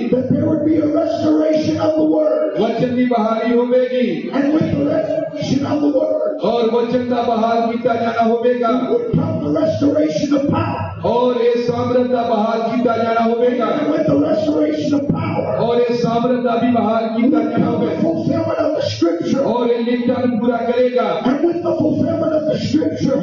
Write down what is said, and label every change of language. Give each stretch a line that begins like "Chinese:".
English: That there would be a restoration of the word.
Hindi: वचन की बहाली होगी.
English: And with the restoration of the word.
Hindi: और वचन का बहाल किया जाना होगा.
English: Would come the restoration of power.
Hindi: और ये सामर्थ्य का बहाल किया जाना होगा.
English: And with the restoration of power.
Hindi: और ये सामर्थ्य का भी बहाल किया जाना होगा.
English: Fulfillment of the scripture.
Hindi: और ये लिखा पूरा करेगा.
English: And with the fulfillment of the scripture.